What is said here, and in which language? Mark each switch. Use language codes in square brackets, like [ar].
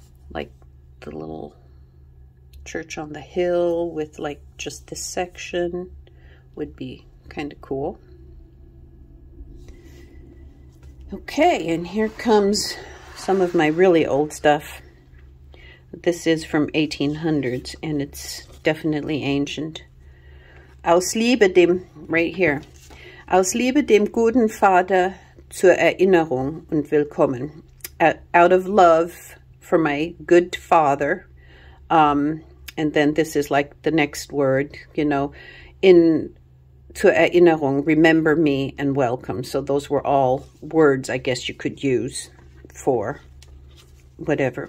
[en] Like the little church on the hill with like just this section would be kind of cool. Okay, and here comes some of my really old stuff. This is from 1800s and it's definitely ancient. [de] Aus Liebe dem, [en] right here. [de] Aus Liebe dem guten Vater zur Erinnerung und Willkommen. [en] Out of love for my good father. And then this is like the next word, you know, in [de] zur Erinnerung, [en] remember me and welcome. So those were all words I guess you could use for whatever.